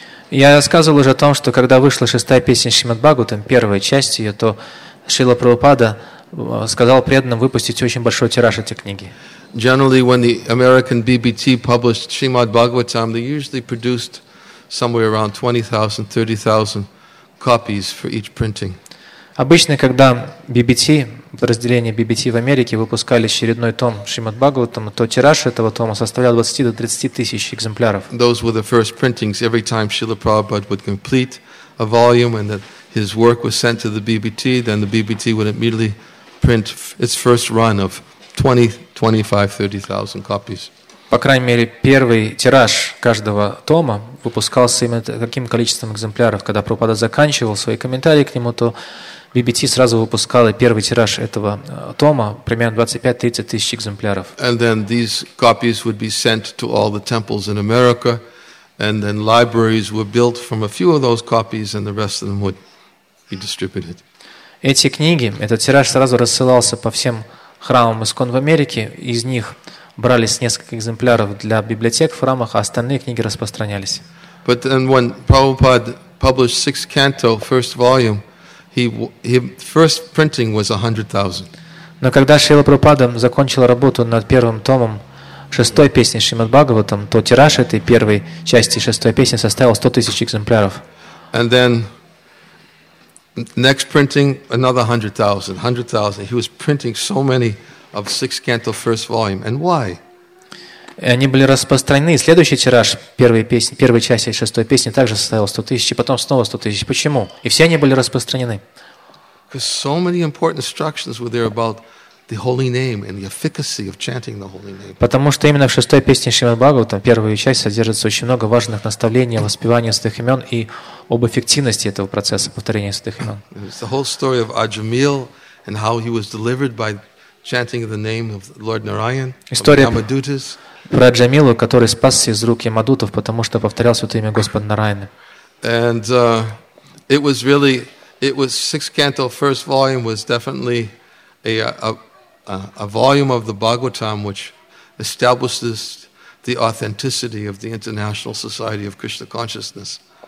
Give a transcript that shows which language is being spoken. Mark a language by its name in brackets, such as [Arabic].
[Russian] Я рассказывал уже о том, что когда вышла шестая песня Шримад Бхагаватам, первая часть ее, то Шрила Прабхупада сказал преданным выпустить очень большой тираж этой книги. [English] Generally, when the American BBT published Srimad Bhagavatam, they usually produced somewhere around 20,000, 30,000 copies for each printing. [Russian] Обычно, когда BBT, подразделение BBT в Америке, выпускали очередной том Шримад Бхагаватам, то тираж этого тома составлял 20 до 30 тысяч экземпляров. [English] Those were the first printings. Every time Srila Prabhupada would complete a volume and that his work was sent to the BBT, then the BBT would immediately print its first run of 20, 25, 30,000 copies. [Russian] По крайней мере, первый тираж каждого тома выпускался именно таким количеством экземпляров. Когда Прабхупада заканчивал свои комментарии к нему, то BBT сразу выпускал первый тираж этого тома, примерно 25-30 тысяч экземпляров. [English] And then these copies would be sent to all the temples in America, and then libraries were built from a few of those copies, and the rest of them would be distributed. [Russian] Эти книги, этот тираж сразу рассылался по всем храмам ИСККОН в Америке, из них брались несколько экземпляров для библиотек в храмах, а остальные книги распространялись. [English] But then when Prabhupada published sixth canto, first volume, he first printing was 100,000. [Russian] Но когда Шрила Прабхупада закончил работу над первым томом шестой песни Шримад Бхагаватам, то тираж этой первой части шестой песни составил 100 тысяч экземпляров. [English] And then next printing, another 100,000. He was printing so many of sixth canto first volume. And why? [Russian] Они были распространены. Следующий тираж первой части шестой песни также составил 100 тысяч, и потом снова 100 тысяч. Почему? И все они были распространены. [English] Because so many important instructions were there about the holy name and the efficacy of chanting the holy name. [Russian] Потому что именно в шестой песне Шримад Бхагаватам первая часть содержится очень много важных наставлений о воспевании святых имен и об эффективности этого процесса повторения святых имен. [English] It's the whole story of Аджамил and how he was delivered by chanting the name of Lord Narayan. [Russian] История про Аджамилу, который спасся из рук Ямадутов, потому что повторял святое имя Господа Нараяны. [English] And it was sixth canto first volume was definitely a volume of the Bhagavatam which establishes the authenticity of the International Society of Krishna Consciousness.